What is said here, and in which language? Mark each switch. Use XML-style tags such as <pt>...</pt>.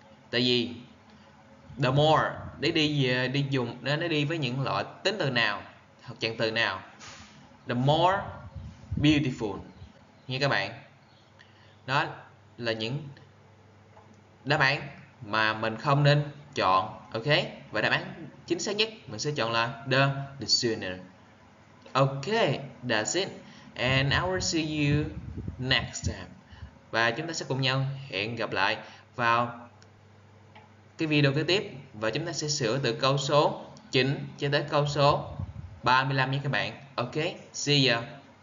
<vi>Tại vì the more để đi dùng nó đi với những loại tính từ nào hoặc chặn từ nào, the more beautiful nha các bạn. Đó là những đáp án mà mình không nên chọn. Ok, và đáp án chính xác nhất mình sẽ chọn là the sooner.</vi> <en>Ok, that's it, and I will see you next time.</en> <vi>Và chúng ta sẽ cùng nhau hẹn gặp lại vào cái video kế tiếp, và chúng ta sẽ sửa từ câu số 9 cho tới câu số 35 nha các bạn.</vi> <en>Ok, see you.</en>